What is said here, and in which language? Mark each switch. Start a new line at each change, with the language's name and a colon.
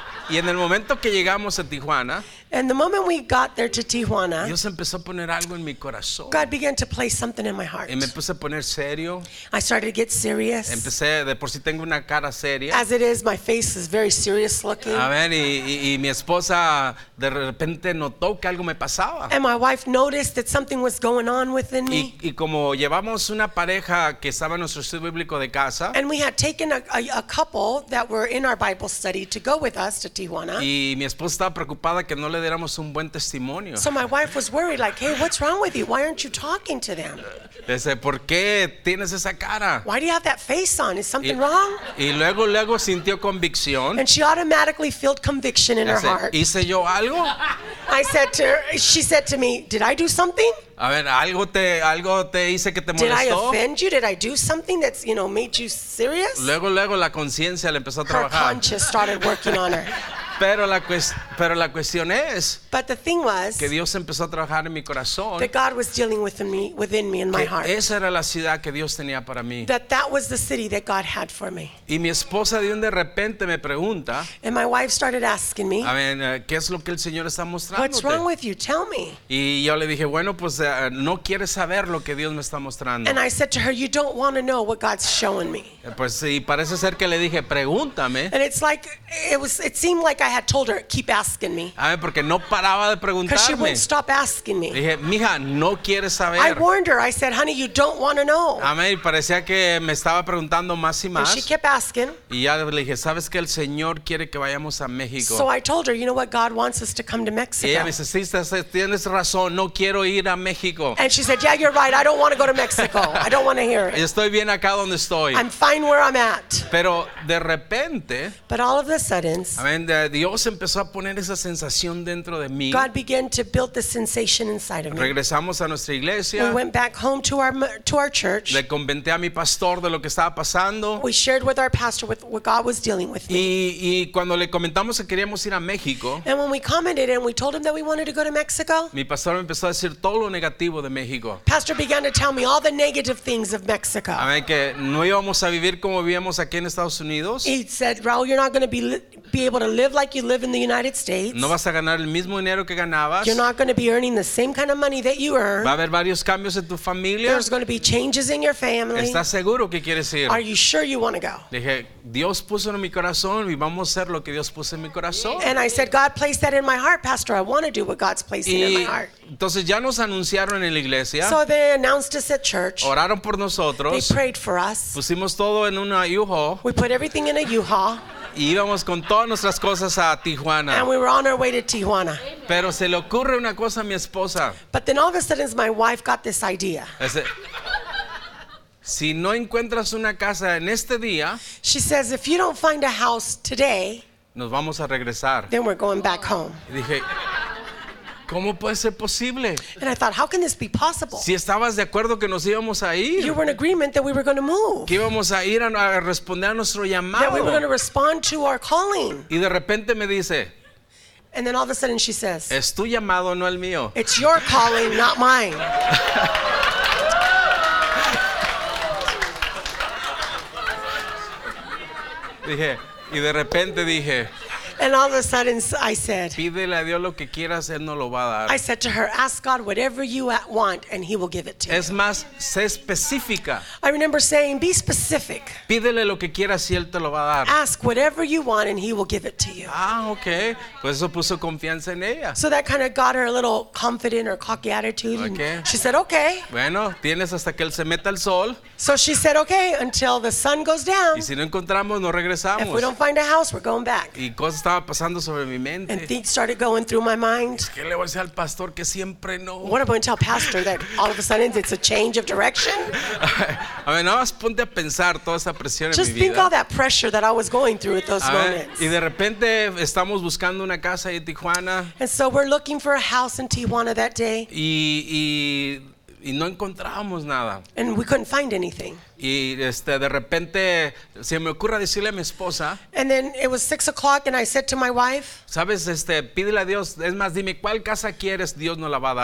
Spanish: Y en el momento que llegamos a Tijuana,
English: and the moment we got there to Tijuana,
Spanish: Dios empezó a poner algo en mi corazón.
English: God began to place something in my heart.
Spanish: Y me puse a poner serio.
English: I started to get serious.
Spanish: Empecé, de por sí tengo una cara seria.
English: As it is, my face is very serious looking.
Spanish: A ver, y mi esposa de repente notó que algo me pasaba.
English: And my wife noticed that something was going on within me.
Spanish: Y como llevamos una pareja que estaba en nuestro estudio bíblico de casa.
English: And we had taken a couple that were in our Bible study to go with us to Tijuana.
Spanish: Y mi esposa estaba preocupada que no le diéramos un buen testimonio.
English: So my wife was worried, like, hey, what's wrong with you? Why aren't you talking to them?
Spanish: Dice, ¿por qué tienes esa cara?
English: Why do you have that face on? Is something wrong?
Spanish: Y luego sintió convicción.
English: And she automatically felt conviction in her heart.
Spanish: ¿Hice yo algo?
English: I said to her, she said to me, did I do something?
Spanish: A ver, algo te hice que te molestó.
English: Did I offend you? Did I do something that's, you know, made you serious?
Spanish: Luego la conciencia le empezó a trabajar.
English: Her conscience started working on her.
Spanish: Pero la cuestión es,
English: but the thing was,
Spanish: que Dios empezó a trabajar en mi corazón.
English: That God was dealing within me in my heart.
Spanish: Esa era la ciudad que Dios tenía para mí.
English: That was the city that God had for me.
Spanish: Y mi esposa de repente me pregunta.
English: And my wife started asking me.
Spanish: A ver, ¿qué es lo que el Señor está mostrando?
English: What's wrong with you? Tell me.
Spanish: Y yo le dije, bueno, pues no quieres saber lo que Dios me está mostrando.
English: And I said to her, you don't want to know what God's showing me.
Spanish: Pues sí, parece ser que le dije, pregúntame.
English: And it's like it seemed like I had told her, keep asking me.
Spanish: A ver, porque no paraba de preguntarme.
English: Because she wouldn't stop asking me.
Spanish: Dije, mija, no quieres saber.
English: I warned her. I said, honey, you don't want to know.
Spanish: A ver, parecía que me estaba preguntando más y más.
English: And she kept asking.
Spanish: Y ya le dije, ¿sabes qué? El Señor quiere que vayamos a México.
English: So I told her, you know what? God wants us to come to Mexico.
Spanish: Y ella me dice, sí, tienes razón. No quiero ir a México.
English: And she said, yeah, you're right. I don't want to go to Mexico. I don't want to hear it.
Spanish: Estoy bien acá donde estoy.
English: I'm fine where I'm at.
Spanish: Pero de repente.
English: But all of a sudden.
Spanish: A ver, Dios empezó a poner esa sensación dentro de mí.
English: God began to build the sensation inside of me.
Spanish: Regresamos a nuestra iglesia.
English: We went back home to our church.
Spanish: Le comenté a mi pastor de lo que estaba pasando.
English: We shared with our pastor with what God was dealing with me.
Spanish: Y cuando le comentamos que queríamos ir a México.
English: And when we commented and we told him that we wanted to go to Mexico.
Spanish: Mi pastor me empezó a decir todo lo negativo de México.
English: Pastor began to tell me all the negative things of Mexico.
Spanish: A ver, que no íbamos a vivir como vivíamos aquí en Estados Unidos.
English: He said, Raúl, you're not going to be able to live like you live in the United States.
Spanish: No vas a ganar el mismo dinero que ganabas.
English: You're not going to be earning the same kind of money that you earn.
Spanish: Va a haber varios cambios en tu familia.
English: There's going to be changes in your family.
Spanish: ¿Estás seguro que quieres ir?
English: Are you sure you want to go?
Spanish: Dije, Dios puso en mi corazón y vamos a hacer lo que Dios puso en mi corazón.
English: And I said, God placed that in my heart, Pastor. I want to do what God's placing in my heart.
Spanish: Entonces ya nos anunciaron en la iglesia.
English: So they announced us at church.
Spanish: Oraron por nosotros.
English: They prayed for us.
Spanish: Pusimos todo en una U-Haul.
English: We put everything in a U-Haul.
Spanish: Y íbamos con todas nuestras cosas a Tijuana.
English: And we were on our way to Tijuana.
Spanish: Pero se le ocurre una cosa a mi esposa.
English: But then all of a sudden my wife got this idea.
Spanish: Si no encuentras una casa en este día,
English: she says, if you don't find a house today,
Spanish: nos vamos a regresar.
English: Then we're going back home.
Spanish: Y dije, ¿cómo puede ser posible?
English: And I thought, how can this be possible?
Spanish: Si estabas de acuerdo que nos íbamos a ir.
English: You were in agreement that we were going to move.
Spanish: Que íbamos a ir a responder a nuestro llamado.
English: That we were going to respond to our calling.
Spanish: Y de repente me dice.
English: And then all of a sudden she says.
Spanish: Es tu llamado, no el mío.
English: It's your calling, not mine.
Spanish: Dije, y de repente dije.
English: And all of a sudden I said,
Spanish: pídele a Dios lo que quieras, él no lo va a dar.
English: I said to her, ask God whatever you want and he will give it to es you.
Spanish: Más, sé específica.
English: I remember saying, be specific.
Spanish: Pídele lo que quieras y él te lo va a dar.
English: Ask whatever you want and he will give it to you.
Spanish: Ah, okay. Pues eso puso confianza en ella.
English: So that kind of got her a little confident or cocky attitude. Okay. And she said, okay.
Spanish: Bueno, tienes hasta que él se meta el sol.
English: So she said, okay, until the sun goes down.
Spanish: Y si no encontramos, no regresamos.
English: If we don't find a house, we're going back.
Spanish: Y cosas estaba pasando sobre mi mente.
English: And things started going through my mind.
Spanish: ¿Qué le voy a decir al pastor que siempre no?
English: What am I going to tell pastor that all of a sudden it's a change of direction?
Spanish: A ver, nada más ponte a pensar toda esa presión en mi vida.
English: Just think all that pressure that I was going through at those moments.
Spanish: Y de repente estamos buscando una casa en Tijuana.
English: And so we're looking for a house in Tijuana that day.
Spanish: Y no encontrábamos nada.
English: And we couldn't find anything.
Spanish: Y de repente se me ocurre decirle a mi esposa.
English: And then it was 6 o'clock and I said to my wife.
Spanish: Sabes, pídele a Dios. Es más, dime cuál casa quieres. Dios no la va a dar.